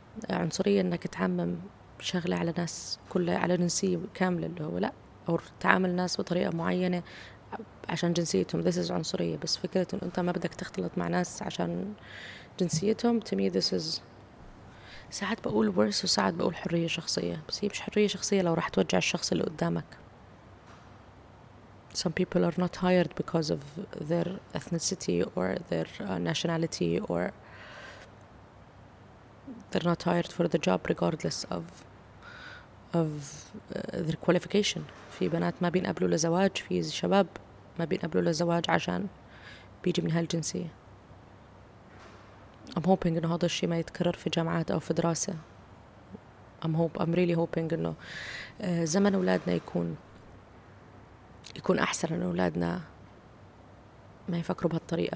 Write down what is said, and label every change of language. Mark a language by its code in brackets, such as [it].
[ar] عنصرية انك تعمم شغلة على ناس كلها على جنسية كاملة اللي هو لا، او تعامل ناس بطريقة معينة عشان جنسيتهم، [en] this is [ar] عنصرية. بس فكرة ان انت ما بدك تختلط مع ناس عشان جنسيتهم، [en] to me this is [ar] ساعات بقول [en] worse [ar] وساعات بقول حرية شخصية، بس هي مش حرية شخصية لو راح توجع الشخص اللي قدامك. [en] Some people are not hired because of their ethnicity or their nationality or they're not hired for the job regardless of their qualification. [ar] في بنات ما بينقبلوا لزواج، في شباب ما بينقبلوا لزواج عشان بيجي من هالجنسية. [en] I'm hoping [ar] إنه هذا الشيء ما يتكرر في جامعات أو في دراسة. [en] I'm really hoping [ar] إنه زمن أولادنا يكون أحسن، إنه أولادنا ما يفكروا بهالطريقة.